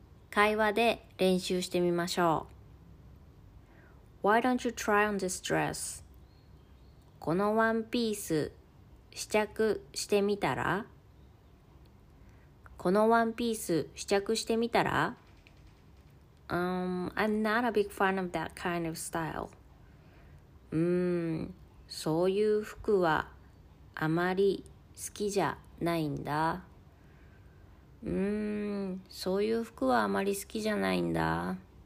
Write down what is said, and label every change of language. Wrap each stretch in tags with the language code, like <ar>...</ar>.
<ja>会話で練習してみましょう。</ja> <en>Why don't you try on this dress?</en> <ja>このワンピース試着してみたら? このワンピース試着してみたら?</ja> <en>I'm not a big fan of that kind of style.</en> <ja>そういう服はあまり好きじゃないんだ。そういう服はあまり好きじゃないんだ。</ja>